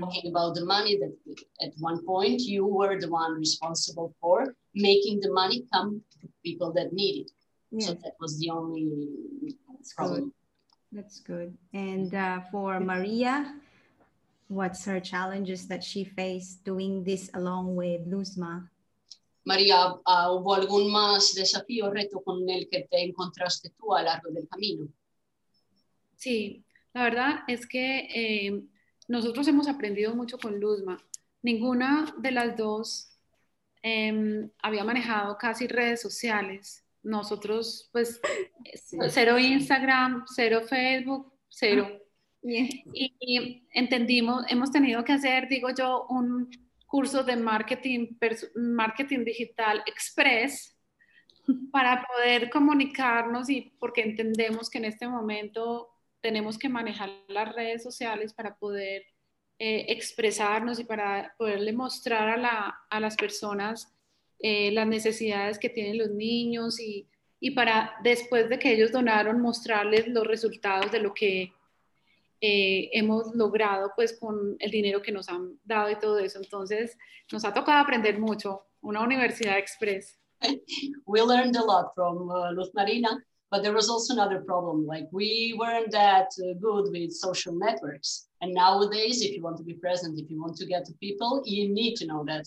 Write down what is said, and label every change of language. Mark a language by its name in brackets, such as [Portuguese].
[English] Talking about the money that at one point you were the one responsible for making the money come to people that need it. Yes. So that was the only That's problem. Good. That's good. And for Maria, what's her challenges that she faced doing this along with Luzma? [Spanish] Maria, ¿hubo algún más desafío o reto con el que te encontraste tú a lo largo del camino? Sí, la verdad es que nosotros hemos aprendido mucho con Luzma. Ninguna de las dos había manejado casi redes sociales. Nosotros, pues, cero Instagram, cero Facebook, cero. Y entendimos, hemos tenido que hacer, digo yo, un curso de marketing digital express para poder comunicarnos y porque entendemos que en este momento tenemos que manejar las redes sociales para poder expresarnos y para poderle mostrar a las personas las necesidades que tienen los niños y para después de que ellos donaron mostrarles los resultados de lo que hemos logrado pues con el dinero que nos han dado y todo eso. Entonces nos ha tocado aprender mucho, una universidad express. [English] We learned a lot from Luz Marina, but there was also another problem, like we weren't that good with social networks. And nowadays, if you want to be present, if you want to get to people, you need to know that.